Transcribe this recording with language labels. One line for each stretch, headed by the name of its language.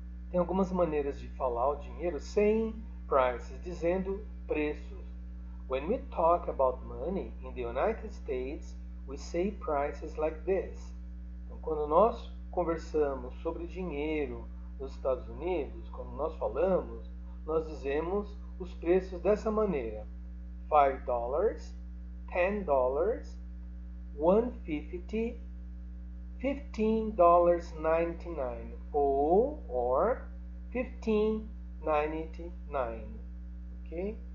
Portuguese: Tem algumas maneiras de falar o dinheiro sem prices, dizendo preços.
English: When we talk about money in the United States, we say prices like this.
Portuguese: Então, quando nós conversamos sobre dinheiro nos Estados Unidos, quando nós falamos, nós dizemos os preços dessa maneira: $5, $10, $1.50, $15.99 ou $15.99. Ok?